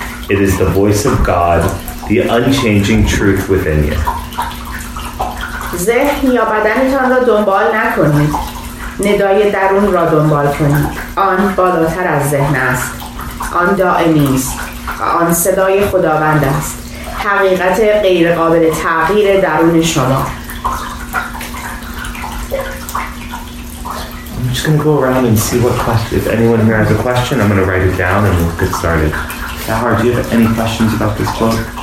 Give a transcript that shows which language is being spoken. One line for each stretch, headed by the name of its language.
English: It is the voice of God, the unchanging truth within you.
Persian: ذهن یا بدنتان را دنبال نکنید. ندای درون را دنبال کنید. آن بالاتر از ذهن است. آن دائمی است. آن صدای خداوند است. حقیقت غیر قابل تغییر درون شما.
English: I'm just going to go around and see what questions. If anyone here has a question, I'm going to write it down and we'll get started. Shahar, do you have any questions about this quote?